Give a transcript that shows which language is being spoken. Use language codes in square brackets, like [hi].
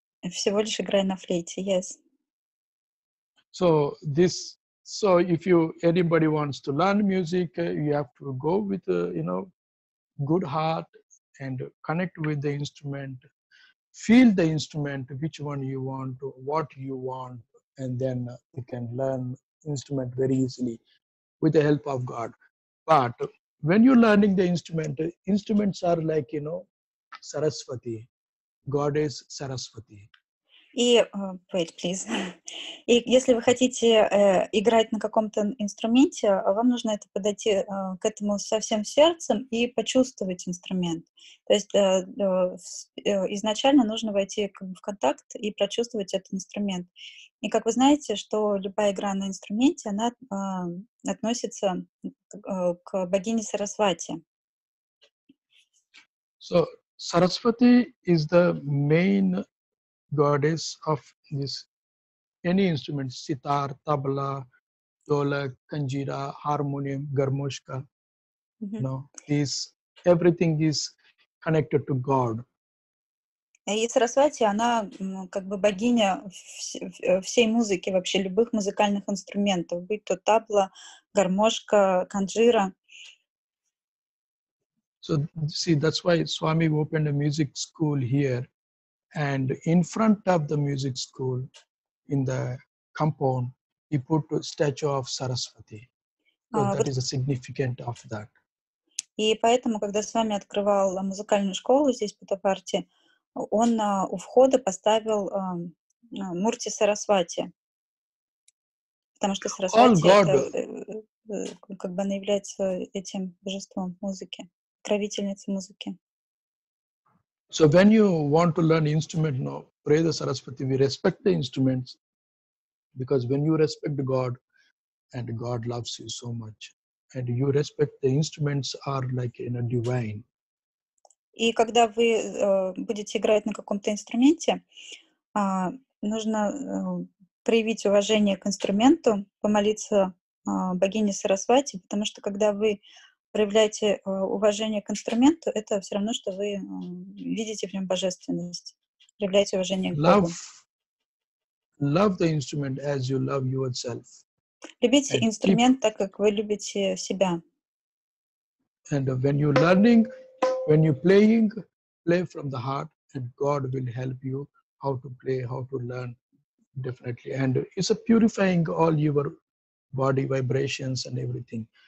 [ru] Всего лишь играя на флейте, yes. [en] So if anybody wants to learn music, you have to go with good heart. And connect with the instrument, feel the instrument, which one you want, what you want, and then you can learn instrument very easily with the help of God. But when you're learning the instrument, instruments are like, you know, Saraswati, goddess Saraswati. И, wait, please. [ru] И если вы хотите играть на каком-то инструменте, вам нужно это подойти к этому со всем сердцем и почувствовать инструмент. То есть изначально нужно войти в контакт и прочувствовать этот инструмент. И как вы знаете, что любая игра на инструменте, она относится к богине Сарасвати. [en] So, Saraswati is the main goddess of this any instrument, sitar, tabla, dolak, kanjira, harmonium, garmoshka. Mm-hmm. No, this everything is connected to God. [ru] И Сарасвати, она как бы богиня всей музыки, вообще любых музыкальных инструментов, будь то табла, гармошка, канджира. [en] So see, that's why Swami opened a music school here. And in front of the music school, in the compound, he put a statue of Saraswati. So that is the significance of that. [ru] И поэтому, когда с вами открывал музыкальную школу здесь, в Путапарте, он у входа поставил мурти Сарасвати. Потому что Сарасвати, она является этим божеством музыки, покровительницей музыки. [en] So when you want to learn instrument, no, pray the Saraswati. We respect the instruments because when you respect God and God loves you so much and you respect the instruments are like in a divine. [ru] И когда вы будете играть на каком-то инструменте, нужно проявить уважение к инструменту, помолиться богине Сарасвати, потому что когда вы проявляете уважение к инструменту, это все равно, что вы видите в нем божественность. Проявляете уважение к Богу. [en] Love the instrument as you love yourself. [ru] Любите and инструмент keep, так, как вы любите себя. [en] And when you're learning, when you're playing, play from the heart, and God will help you how to play, how to learn differently. And it's a purifying all your body vibrations and everything.